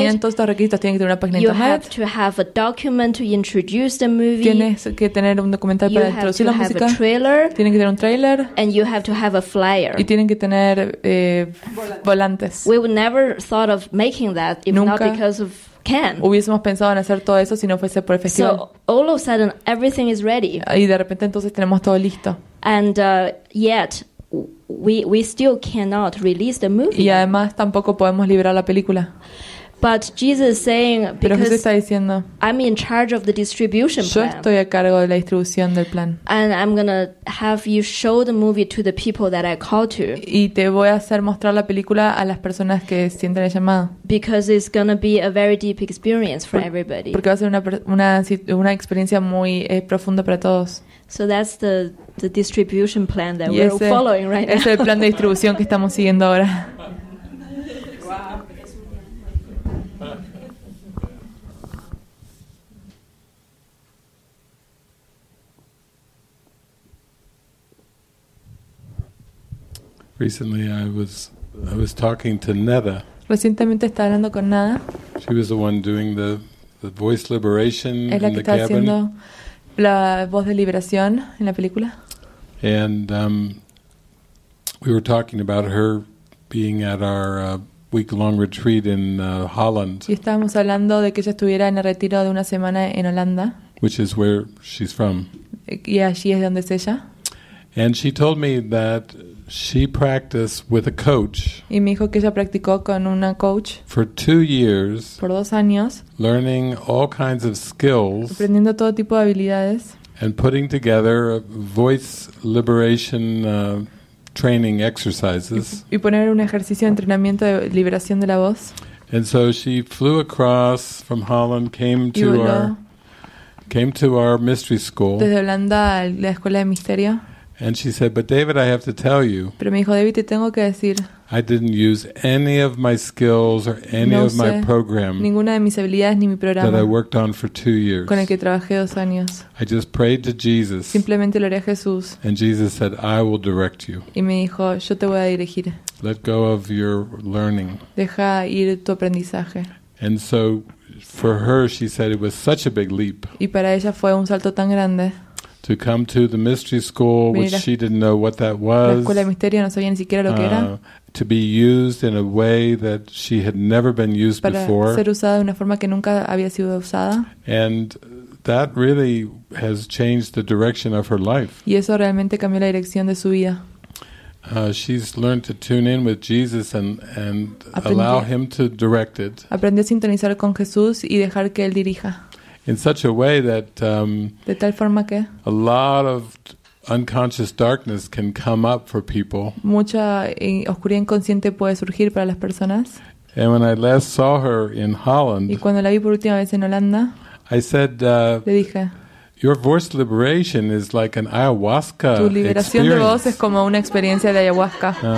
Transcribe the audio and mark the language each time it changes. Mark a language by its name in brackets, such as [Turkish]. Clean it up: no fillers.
[Spanish] Tenían todos estos requisitos. Tienen que tener una página you internet. [English] You have to have a document to introduce the movie. [Spanish] Tienes que tener un documental you para introducir la música. [English] You have to have a trailer. [Spanish] Tienen que tener un trailer. [English] And you have to have a flyer. [Spanish] Y tienen que tener volantes. [English] We would never thought of making that if [Spanish] Nunca [English] not because of Cannes. [Spanish] Hubiésemos pensado en hacer todo eso si no fuese por el festival. [English] So all of a sudden everything is ready. [Spanish] Y de repente entonces tenemos todo listo. [English] And yet we still cannot release the movie. [Spanish] Y además tampoco podemos liberar la película. [English] But Jesus saying, [Spanish] pero Jesús está diciendo, [English] I'm in charge of the distribution [Spanish] plan. Yo estoy a cargo de la distribución del plan. [English] And I'm gonna have you show the movie to the people that I call to. [Spanish] Y te voy a hacer mostrar la película a las personas que sienten el llamado. [English] Because it's gonna be a very deep experience for everybody. [Spanish] Porque va a ser una experiencia muy profunda para todos. [English] So that's the distribution plan that we're following right now. [Spanish] Es el plan de distribución que estamos siguiendo ahora. [English] Recently, I was talking to Neda. [Spanish] Recientemente estaba hablando con Neda. [English] She was the one doing the voice liberation in the cabin. [Spanish] Es la que está haciendo la voz de liberación en la película. [English] And we were talking about her being at our week-long retreat in Holland. [Spanish] Y estábamos hablando de que ella estuviera en el retiro de una semana en Holanda. [English] Which is where she's from. [Spanish] Y allí es donde es ella. [English] And she told me that she practiced with a coach. [Spanish] Y me dijo que ella practicó con una coach. [English] For 2 years. [Spanish] Por 2 años. [English] Learning all kinds of skills. [Spanish] Aprendiendo todo tipo de habilidades. [English] And putting together voice liberation training exercises. [Spanish] Y poner un ejercicio de entrenamiento de liberación de la voz. [English] And so she flew across from Holland, came to our mystery school. [Spanish] Desde Holanda a la escuela de misterio. [English] And she said, "But David, I have to tell you." [Spanish] Pero me dijo, David, te tengo que decir. [English] I didn't use any of my skills or any of my program. [Spanish] Ninguna de mis habilidades ni mi programa. [English] That I worked on for 2 years. [Spanish] Con el que trabajé 2 años. [English] I just prayed to Jesus. [Spanish] Simplemente oré a Jesús. [English] And Jesus said, "I will direct you." [Spanish] Y me dijo, yo te voy a dirigir. [English] Let go of your learning. [Spanish] Deja ir tu aprendizaje. [English] And so, for her, she said it was such a big leap. [Spanish] Y para ella fue un salto tan grande. [English] To come to the mystery school, which she didn't know what that was. [Spanish] La escuela de misterio no sabía ni siquiera lo que era. [English] To be used in a way that she had never been used [Spanish] para [English] before. [Spanish] Ser usada de una forma que nunca había sido usada. [English] And that really has changed the direction of her life. [Spanish] Y eso realmente cambió la dirección de su vida. [English] She's learned to tune in with Jesus and allow him to direct it. [Spanish] Aprendió a sintonizar con Jesús y dejar que él dirija. [English] In such a way that [Spanish] de tal forma que [English] a lot of unconscious darkness can come up for people. [Spanish] Mucha oscuridad inconsciente puede surgir para las personas. [English] And when I last saw her in Holland, [Spanish] y cuando la vi por última vez en Holanda, [English] I said, [Spanish] le dije, [English] "Your voice liberation is like an ayahuasca experience." [Spanish] Tu liberación de voz es como una experiencia de ayahuasca.